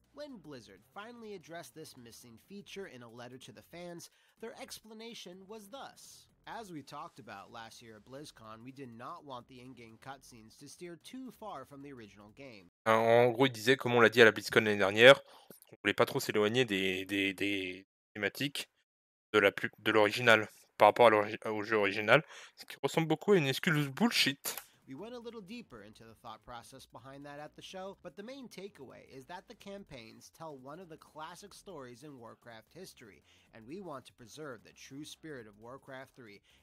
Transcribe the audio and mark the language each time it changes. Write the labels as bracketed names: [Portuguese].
[English] When Blizzard finally addressed this missing feature in a letter to the fans, their explanation was thus. As we talked about last year at BlizzCon, we did not want the in-game cutscenes to steer too far from the original game. [French] En gros, il disait, comme on l'a dit à la BlizzCon l'année dernière, on voulait pas trop s'éloigner des thématiques de l'original, par rapport au jeu original, ce qui ressemble beaucoup à une excuse bullshit. [English] We went a little deeper into the thought process behind that at the show, but the main takeaway is that the campaigns tell one of the classic stories in Warcraft history, and we want to preserve the true spirit of Warcraft 3.